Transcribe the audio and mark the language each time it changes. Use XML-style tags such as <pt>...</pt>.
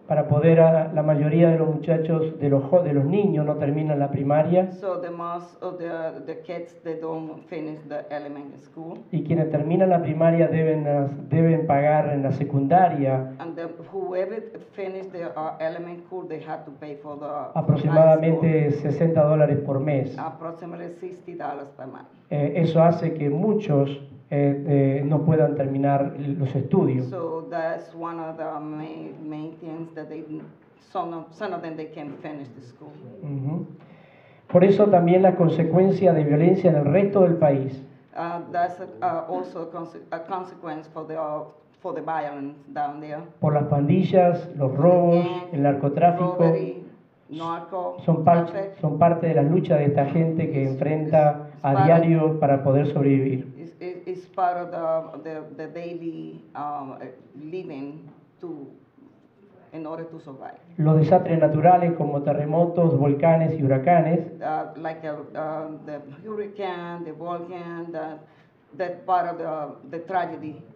<es>Para poder la mayoría de los muchachos, de los niños, no terminan la primaria.</es> <en>So the most of the kids, they don't finish the elementary school.</en> <es>Y quienes terminan la primaria deben pagar en la secundaria.</es> <en>And the, whoever finish the elementary school, they have to pay for the</en> <es>aproximadamente $60 por mes.</es> <en>Approximately $60 per month.</en> <es>Eso hace que muchos no puedan terminar los estudios.</es> <en>So that's one of the main things that they some of them they can't finish the school. Mm-hmm.</en> <es>Por eso también la consecuencia de violencia en el resto del país.</es> <en>That's also a consequence for the violence down there.</en> <es>Por las pandillas, los robos, el narcotráfico. Son parte de la lucha de esta gente que enfrenta a diario para poder sobrevivir.</es> <en>It's part of the daily living in order to survive.</en> <es>Los desastres naturales como terremotos, volcanes y huracanes.</es> <en>The hurricane, the volcano, that part of the tragedy.</en>